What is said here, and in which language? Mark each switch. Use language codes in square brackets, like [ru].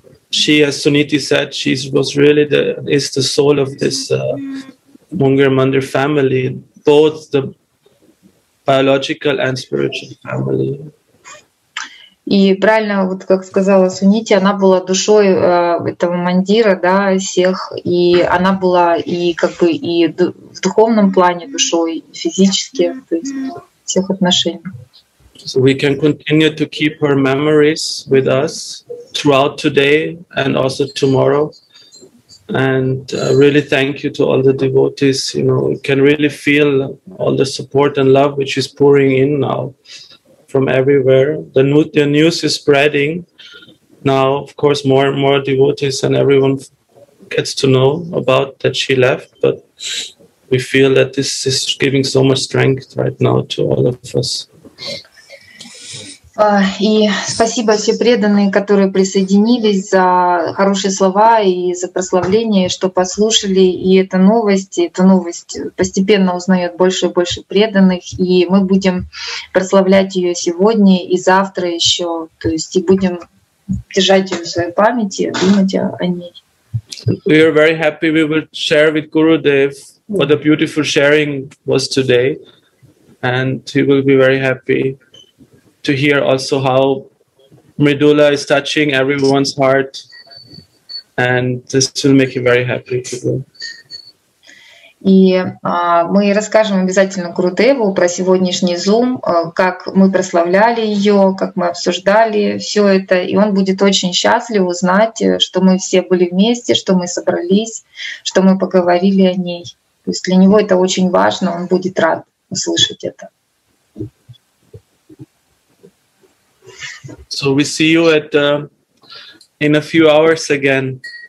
[en] She, as Suniti said, she was really the soul of this Munger Mandir family, both the biological and spiritual family. [ru] И правильно, вот как сказала Сунити, она была душой этого мандира, да, всех, и она была и как бы и в духовном плане душой, и физически, то есть всех отношений. [en] So we can continue to keep her memories with us throughout today and also tomorrow. And really thank you to all the devotees. You know, we can really feel all the support and love which is pouring in now from everywhere. The news is spreading now, of course, more and more devotees and everyone gets to know about that she left, but we feel that this is giving so much strength right now to all of us. [ru] И спасибо все преданные, которые присоединились, за хорошие слова и за прославление, что послушали, и эта новость постепенно узнает больше и больше преданных, и мы будем прославлять ее сегодня и завтра еще, то есть и будем держать ее в своей памяти, думать о ней. [en] We are very happy we will share with Gurudev what a beautiful sharing was today, and he will be very happy to hear also how Mridula is touching everyone's heart, and this will make him very happy. [ru] И мы расскажем обязательно Гурудеву про сегодняшний Zoom, как мы прославляли ее, как мы обсуждали все это, и он будет очень счастлив узнать, что мы все были вместе, что мы собрались, что мы поговорили о ней. То есть для него это очень важно, он будет рад услышать это. [en] So we see you in a few hours again.